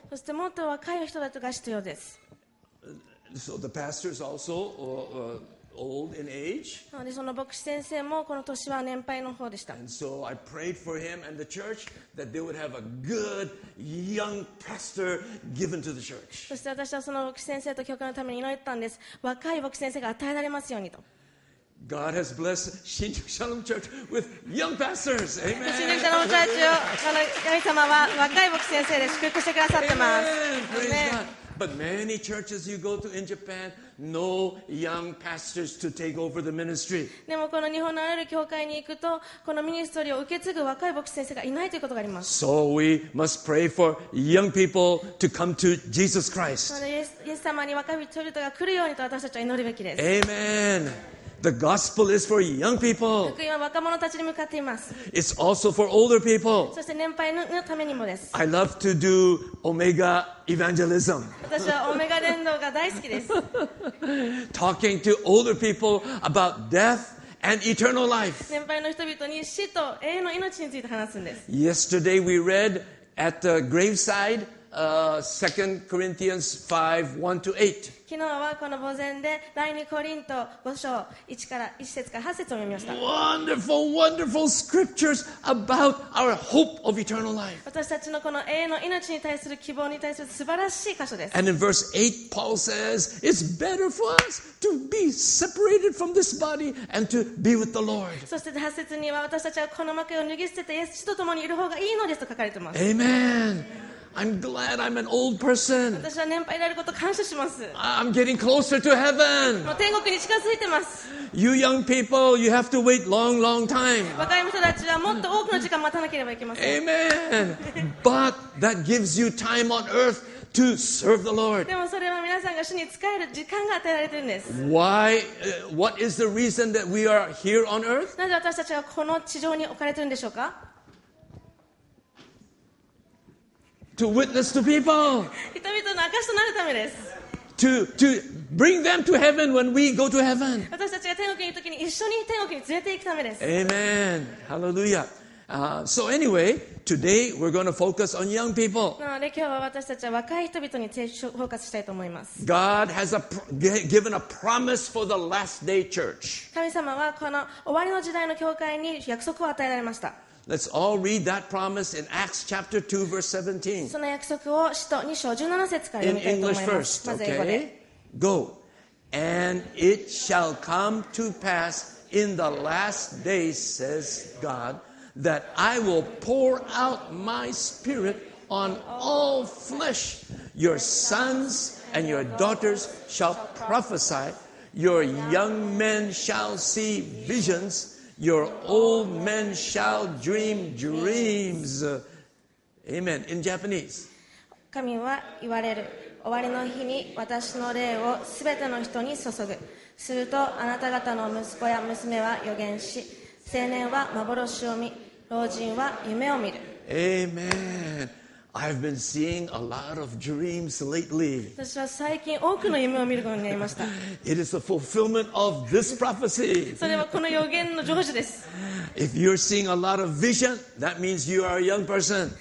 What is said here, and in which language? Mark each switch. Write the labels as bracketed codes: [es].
[ja] そしてもっと若い人たちが必要です。 [en] So the pastors also old in age. [ja] なのでその牧師先生もこの年は年配の方でした。 [en] And so I prayed for him and the church that they would have a good young pastor given to the church. [ja] そして私はその牧師先生と教会のために祈ったんです。若い牧師先生が与えられますようにと。 [en] God has blessed 新宿シャロム Church with young pastors. Amen. [ja] 新宿シャロム Church を神様は若い牧師先生で祝福してくださってます。 [en] Amen. Praise God. But many churches you go to in Japan, no young pastors to take over the ministry. [ja] でもこの日本のある教会に行くと、このミニストリーを受け継ぐ若い牧師先生がいないということがあります。 [en] So we must pray for young people to come to Jesus Christ. [ja] イエス様に若い人々が来るようにと私たちは祈るべきです。 [en] Amen. The gospel is for young people. [ja] 福音は若者たちに向かっています。 [en] It's also for older people. [ja] そして年配のためにもです。 [en] I love to do Omega evangelism. [ja] 私はオメガ伝道が大好きです。 [en] Talking to older people about death and eternal life. [ja] 年配の人々に死と永遠の命について話すんです。 [en] Yesterday we read at the graveside, 2 Corinthians 5, 1 to 8. [ja] 昨日はこの墓前で第二コリント五章一から一節から八節を読みました。 [en] Wonderful, wonderful scriptures about our hope of eternal life. [ja] 私たちのこの永遠の命に対する希望に対する素晴らしい箇所です。 [en] And in verse 8, Paul says, "It's better for us to be separated from this body and to be with the Lord." [ja] そして八節には私たちはこの幕を脱ぎ捨てて死と共にいる方がいいのですと書かれています [en] Amen. I'm glad I'm an old person. [ja] 私は年配であること感謝します。 [en] I'm getting closer to heaven. [ja] もう天国に近づいてます。 [en] You young people, you have to wait long, long time. [ja] 若い人たちはもっと多くの時間待たなければいけません。 [en] Amen. But that gives you time on earth to serve the Lord. [ja] でもそれは皆さんが主に仕える時間が与えられてるんです。 [en] Why? What is the reason that we are here on earth? [ja] なぜ私たちはこの地上に置かれてるんでしょうか？ [en] To witness to people. [ja] 人々の証しとなるためです。 [en] To bring them to heaven when we go to heaven. [ja] 私たちが天国に行くときに一緒に天国に連れて行くためです。 [en] Amen. Hallelujah. So anyway, today we're going to focus on young people. [ja] なので今日は私たちは若い人々にフォーカスしたいと思います。 [en] God has given a promise for the last day church. [ja] 神様はこの終わりの時代の教会に約束を与えられました。 [en] Let's all read that promise in Acts chapter 2 verse 17. [ja] その約束を使徒2章17節から読みたいと思います。 [en] In English first, okay? Go. And it shall come to pass in the last days, says God, that I will pour out my spirit on all flesh. Your sons and your daughters shall prophesy. Your young men shall see visions. Your old men shall dream dreams. Amen. In Japanese. [ja] 神は言われる。終わりの日に私の霊をすべての人に注ぐ。するとあなた方の息子や娘は予言し、青年は幻を見、老人は夢を見る。 [en] Amen. I've been seeing a lot of dreams lately. [ja] 私は最近多くの夢を見ることになりました。 [en] It is the fulfillment of this prophecy. [ja] それはこの予言の成就です。 [en] If you're seeing a lot of vision, that means you are a young person.